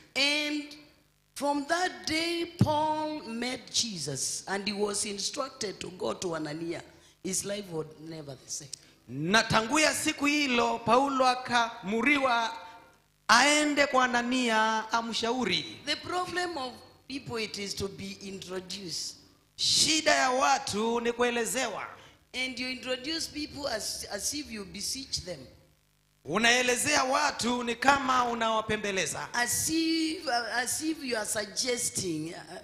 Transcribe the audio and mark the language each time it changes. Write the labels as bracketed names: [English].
[English] And from that day Paul met Jesus and he was instructed to go to Anania. His life would never the same. [Swahili] Na tangu ya siku hilo Paulo akamuriwa aende kwa Anania amshauri. [English] The problem of people it is to be introduced. [Swahili] Shida ya watu ni kuelezewa. [English] And you introduce people as if you beseech them. [Swahili] Unaelezea watu ni kama unawapembeleza. [English] As if you are suggesting.